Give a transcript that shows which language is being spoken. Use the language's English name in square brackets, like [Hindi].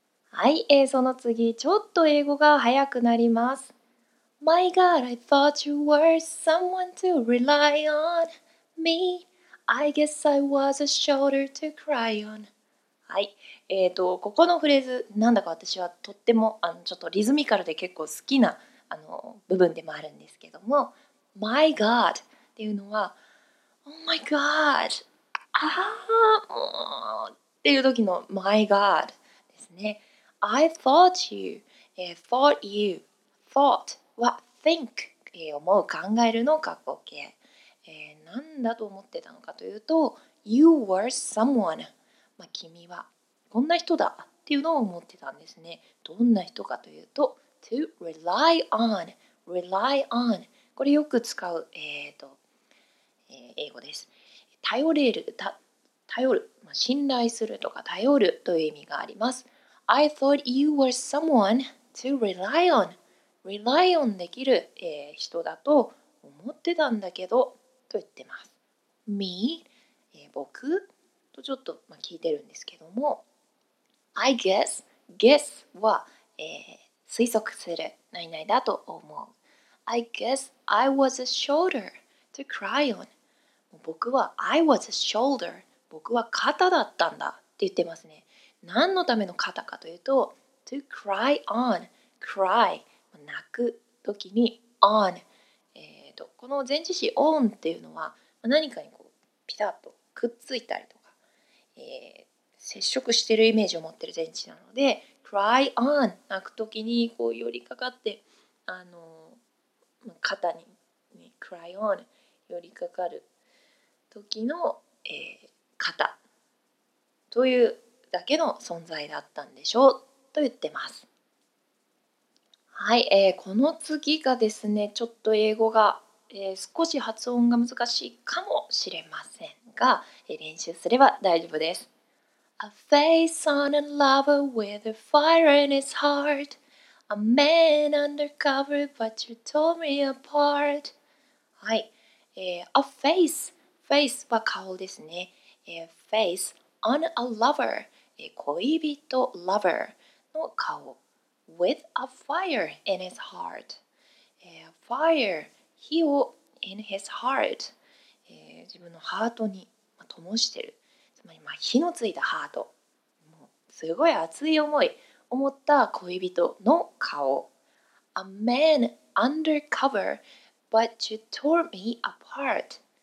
[Japanese] はい、その次、ちょっと英語が早くなります。 [English] My God, I thought you were someone to rely on. Me, I guess I was a shoulder to cry on. [Japanese] はい、ここのフレーズ、なんだか私はとっても、ちょっとリズミカルで結構好きな、部分でもあるんですけども、 [English] My God [Japanese] っていうのは、 [English] Oh my God! [Japanese] ああ、もうっていう時の [English] My God [Japanese] ですね。 [English] I thought you, thought you, thought [Japanese] は think、思う、考えるの過去形。なんだと思ってたのかというと、 [English] You were someone、 [Japanese] まあ、君はこんな人だっていうのを思ってたんですね。どんな人かというと、 [English] To rely on, rely on、 [Japanese] これよく使う、英語です。頼れる、頼る、まあ、信頼するとか頼るという意味があります。 [English] I thought you were someone to rely on. Rely on [Japanese] できる、人だと思ってたんだけどと言ってます。 Me、僕とちょっと、まあ、聞いてるんですけども [English] I guess, [Japanese] guess は、推測する何々だと思う。 [English] I guess I was a shoulder to cry on. [Japanese] 僕は [English] I was a shoulder. [Japanese] 僕は肩だったんだって言ってますね。何のための肩かというと、 [English] to cry on, [Japanese] cry, 泣くときに on。この前置詞 on っていうのは、何かにこうピタッとくっついたりとか、接触してるイメージを持ってる前置詞なので、 [English] cry on, [Japanese] 泣くときにこう寄りかかって、肩に、ね、cry on, 寄りかかるときの、肩という、だけの存在だったんでしょうと言ってます。はい、この次がですね、ちょっと英語が、少し発音が難しいかもしれませんが、練習すれば大丈夫です。 [English] A face on a lover with a fire in his heart. A man undercover but you tore me apart. [Japanese] はい、 [English] A face. [Japanese] Face は顔ですね。 [English] Face on a lover. [Japanese] 恋人、 [English] lover の顔。 With a fire in his heart. Fire, [Japanese] 火を [English] in his heart. [Japanese] 自分のハートに灯してる。つまり、まあ、火のついたハート。もうすごい熱い思い思った恋人の顔。 [English] A man undercover, but you tore me apart.